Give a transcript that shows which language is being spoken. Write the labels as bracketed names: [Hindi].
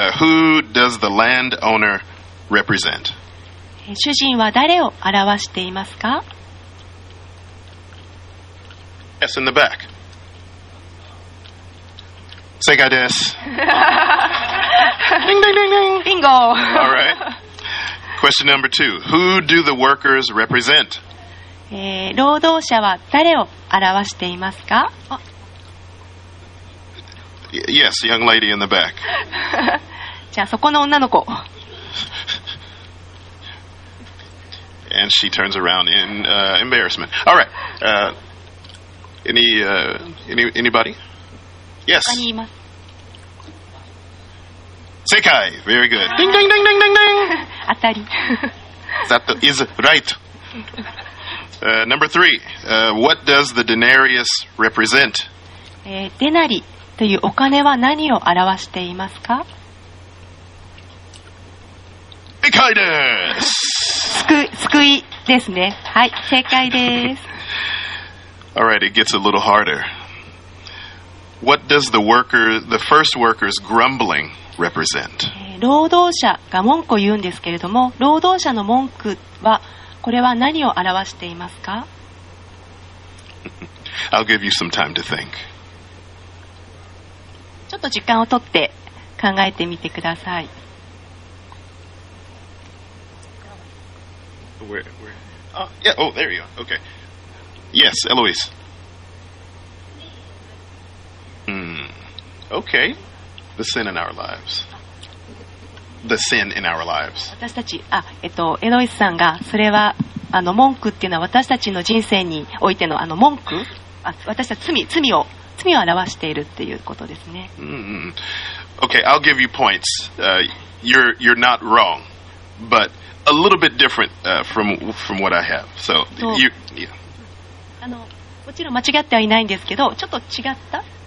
[English] Who does the landowner represent? [Japanese] 主人は誰を表していますか? [English] Yes, in the back. [Japanese] 正解です。 [English] ding, ding, ding, ding. Bingo. All right. Question number two. Who do the workers represent? [Japanese] 労働者は誰を表していますか? [English] Yes, young lady in the back. [Japanese] じゃあそこの女の子。 [English] And she turns around in embarrassment. All right. Anybody? Yes. [Japanese] 他にいます。正解 [English] Very good. Ding, ding, ding, ding, ding, ding. [Japanese] 当たり。 [English] That is right. Number three. What does the denarius represent? [Japanese] デナリというお金は何を表していますか? 正解です。救いですね。はい、正解です。 [English] All right, it gets a little harder. What does the first worker's grumbling represent? [Japanese] 労働者が文句を言うんですけれども、労働者の文句は、これは何を表していますか? [English] I'll give you some time to think. [Japanese] ちょっと時間を取って考えてみてください。 [English] Yeah, oh, there you are. Okay. Yes, Eloise. Okay. The sin in our lives. The sin in our lives. [Japanese] 私たち、エロイスさんが、それは、文句っていうのは、私たちの人生においての、文句、私たち罪を表しているっていうことですね。 [English] Okay, I'll give you points. You're not wrong, but a little bit different, from what I have. So, you, yeah. [Japanese] もちろん間違ってはいないんですけど、ちょっと違った?